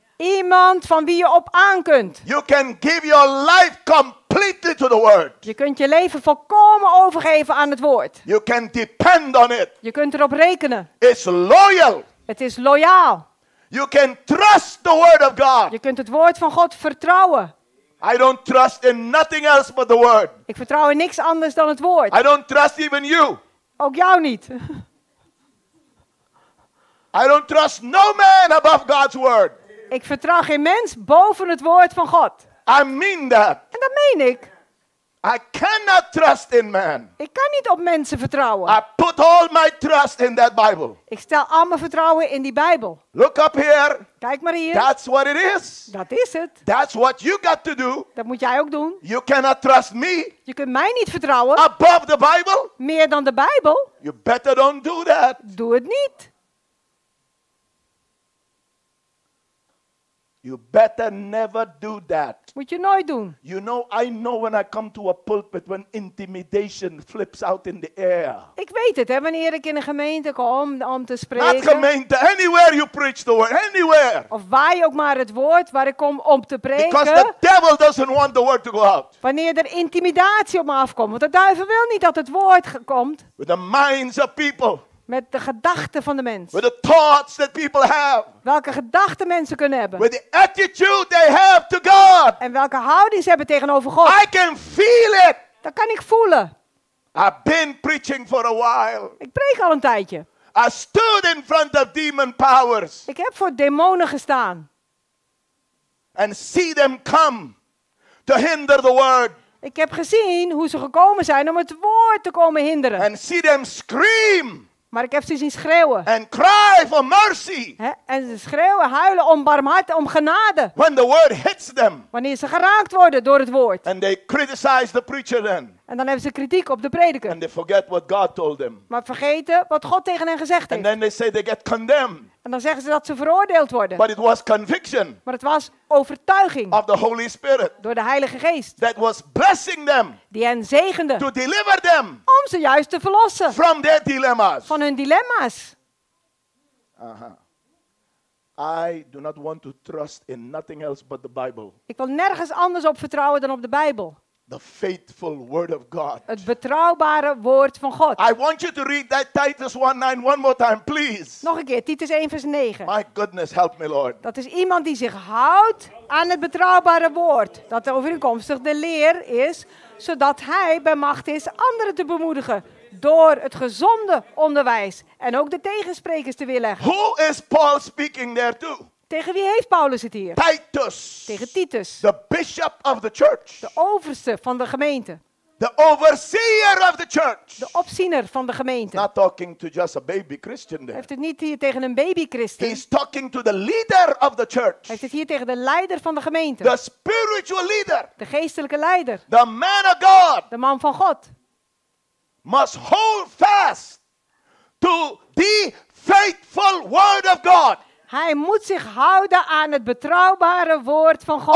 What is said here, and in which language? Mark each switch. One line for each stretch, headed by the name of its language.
Dutch: Iemand van wie je op aan kunt.
English: You can give your life completely to the word.
Dutch: Je kunt je leven volkomen overgeven aan het woord.
English: You can depend on it.
Dutch: Je kunt erop rekenen.
English: It's loyal.
Dutch: Het is loyaal.
English: You can trust the word of God.
Dutch: Je kunt het woord van God vertrouwen.
English: I don't trust in nothing else but the word.
Dutch: Ik vertrouw in niks anders dan het woord.
English: I don't trust even you.
Dutch: Ook jou niet.
English: I don't trust no man above God's word.
Dutch: Ik vertrouw geen mens boven het woord van God.
English: I mean that.
Dutch: En dat meen ik.
English: I cannot trust in man.
Dutch: Ik kan niet op mensen vertrouwen.
English: I put all my trust in that Bible.
Dutch: Ik stel al mijn vertrouwen in die Bijbel.
English: Look up here.
Dutch: Kijk maar hier.
English: That's what it is.
Dutch: Dat is het.
English: That's what you got to do.
Dutch: Dat moet jij ook doen.
English: You cannot trust me.
Dutch: Je kunt mij niet vertrouwen.
English: Above the Bible.
Dutch: Meer dan de Bijbel.
English: You better don't do that.
Dutch: Doe het niet.
English: You better never do that.
Dutch: Moet je nooit doen.
English: You know, I know when I come to a pulpit when intimidation flips out in the air.
Dutch: Ik weet het, hè, wanneer ik in een gemeente kom om te spreken.
English: Not gemeente, anywhere you preach the word, anywhere.
Dutch: Of waar je ook maar het woord waar ik kom om te preken.
English: Because the devil doesn't want the word to go out.
Dutch: Wanneer er intimidatie op me afkomt, want de duivel wil niet dat het woord komt.
English: With the minds of people.
Dutch: Met de gedachten van de mens.
English: With the thoughts that people have.
Dutch: Welke gedachten mensen kunnen hebben.
English: With the attitude they have to God.
Dutch: En welke houding ze hebben tegenover God.
English: I can feel it.
Dutch: Dat kan ik voelen.
English: I've been preaching for a while.
Dutch: Ik preek al een tijdje.
English: I stood in front of demon powers.
Dutch: Ik heb voor demonen gestaan.
English: And see them come to hinder the word.
Dutch: Ik heb gezien hoe ze gekomen zijn om het woord te komen hinderen.
English: And see them scream.
Dutch: Maar ik heb ze zien schreeuwen.
English: And cry for mercy.
Dutch: He? En ze schreeuwen, huilen om barmhartigheid, om genade.
English: When the word hits them.
Dutch: Wanneer ze geraakt worden door het woord.
English: And they criticize the preacher then.
Dutch: En dan hebben ze kritiek op de prediker.
English: And they forget what God told them.
Dutch: Maar vergeten wat God tegen hen gezegd heeft.
English: And then they say they get condemned.
Dutch: En dan zeggen ze dat ze veroordeeld worden.
English: But it was conviction.
Dutch: Maar het was overtuiging.
English: Of the Holy Spirit.
Dutch: Door de Heilige Geest.
English: That was blessing them.
Dutch: Die hen zegende.
English: To deliver them.
Dutch: Om ze juist te verlossen.
English: From their dilemmas.
Dutch: Van hun dilemma's.
English: I do not want to trust in nothing else but the Bible.
Dutch: Ik wil nergens anders op vertrouwen dan op de Bijbel.
English: The faithful word of God.
Dutch: Het betrouwbare woord van God.
English: I want you to read that Titus 1:9 one more time, please.
Dutch: Nog een keer, Titus 1 vers 9.
English: My goodness, help me, Lord.
Dutch: Dat is iemand die zich houdt aan het betrouwbare woord. Dat overeenkomstig de leer is, zodat hij bij macht is anderen te bemoedigen. Door het gezonde onderwijs en ook de tegensprekers te weerleggen.
English: Who is Paul speaking there to?
Dutch: Tegen wie heeft Paulus het hier?
English: Titus.
Dutch: Tegen Titus.
English: The bishop of the church.
Dutch: De overste van de gemeente.
English: The overseer of the church.
Dutch: De opziener van de gemeente.
English: Not talking to just a baby Christian there.
Dutch: Heeft het niet hier tegen een baby Christen.
English: He's talking to the leader of the church.
Dutch: Heeft het hier tegen de leider van de gemeente.
English: The spiritual leader.
Dutch: De geestelijke leider.
English: The man of God.
Dutch: De man van God.
English: Must hold fast to the faithful word of God.
Dutch: Hij moet zich houden aan het betrouwbare woord van God.